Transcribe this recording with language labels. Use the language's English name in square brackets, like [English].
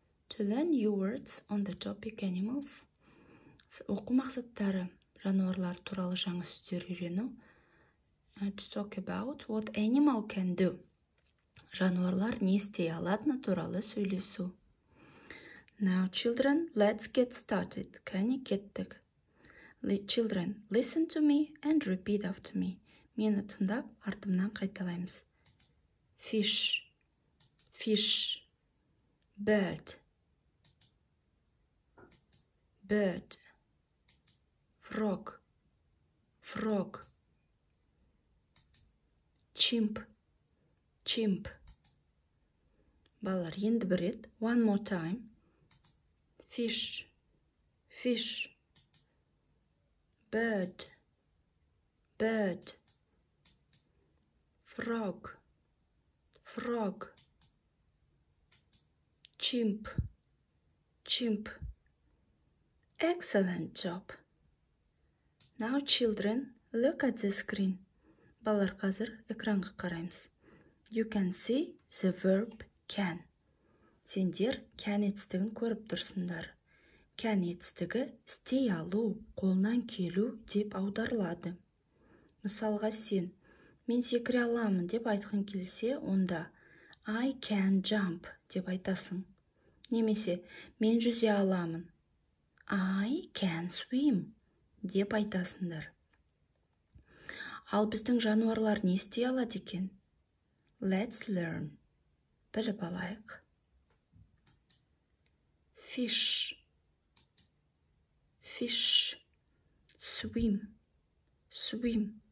[English] To learn new words on the topic animals. [Kazakh] Оқу мақсаттары жануарлар туралы жаңа сөздер үйрену. [English] To talk about what animal can do. [Kazakh] Жануарлар не істей алатыны туралы сөйлесу. [English] Now, children, let's get started. [Kazakh] Кәне кеттік. [English] Children, listen to me and repeat after me. [Kazakh] Мені тыңдап, артымнан қайталаймыз. [English] Fish. Fish. Bird. Bird. Frog, frog, chimp, chimp. [Kazakh] Балалар, енді бір рет, [English] one more time. Fish, fish, bird, bird, frog, frog, chimp, chimp. Excellent job. Now, children, look at the screen. [Kazakh] Балалар, қазір экранға қараймыз. [English] You can see the verb can. [Kazakh] Сендер can етістігін көріп тұрсындар. Can етістігі істей алу, қолынан келу деп аударылады. Мысалға сен, мен секіре аламын деп айтқың келсе, онда [English] I can jump [Kazakh] деп айтасың. Немесе, мен жүзе аламын. [English] I can swim [Kazakh] деп айтасындар. Ал біздің жануарлар не істей алады екен? [English] Let's learn. [Kazakh] Біліп алайық. [English] Fish. Fish. Swim. Swim.